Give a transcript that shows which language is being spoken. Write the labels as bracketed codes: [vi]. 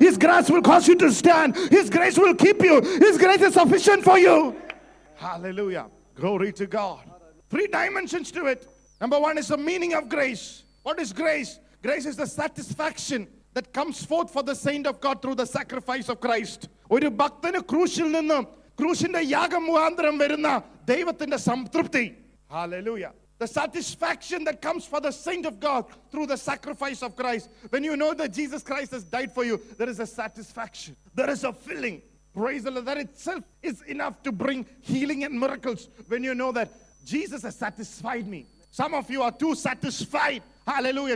[en] His grace will cause you to stand. His grace will keep you. His grace is sufficient for you. Hallelujah. Glory to God. Three dimensions to it. Number one is the meaning of grace. What is grace? Grace is the satisfaction that comes forth for the saint of God through the sacrifice of Christ. [ml] Oru bhaktane krushil ninnu ക്രൂശിന്റെ യാഗം മുഖാന്തരം വരുന്ന ദൈവത്തിന്റെ സംതൃപ്തി. Hallelujah. [en] The satisfaction that comes for the saint of God through the sacrifice of Christ. When you know that Jesus Christ has died for you, there is a satisfaction. There is a filling. Praise the Lord. That itself is enough to bring healing and miracles. When you know that Jesus has satisfied me. Some of you are too satisfied. Hallelujah.